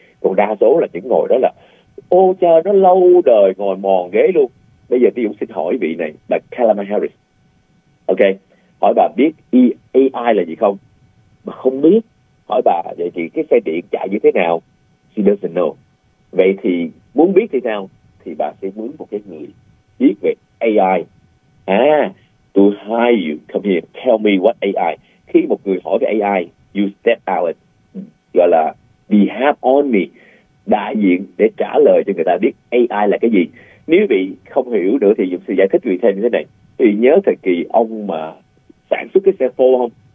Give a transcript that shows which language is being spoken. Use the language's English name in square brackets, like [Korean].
[Vietnamese] Còn đa số là những ngồi đó là ô cha nó lâu đời ngồi mòn ghế luôn. Bây giờ ví dụ xin hỏi vị này là Kamala Harris. Ok. Hỏi bà biết AI là gì không? Mà không biết. Hỏi bà vậy thì cái xe điện chạy như thế nào? [English] She doesn't know. [Vietnamese] Vậy thì muốn biết thì sao? Thì bà sẽ muốn một cái người biết về AI. [English] À, to hire you, come here, tell me what AI. [Vietnamese] Khi một người hỏi về AI, [English] you step out, [Vietnamese] gọi là [English] behalf on me, [Vietnamese] đại diện để trả lời cho người ta biết AI là cái gì. Nếu bị không hiểu nữa thì Dũng sẽ giải thích người thêm như thế này. Thì nhớ thời kỳ ông mà sản xuất cái xe Ford không?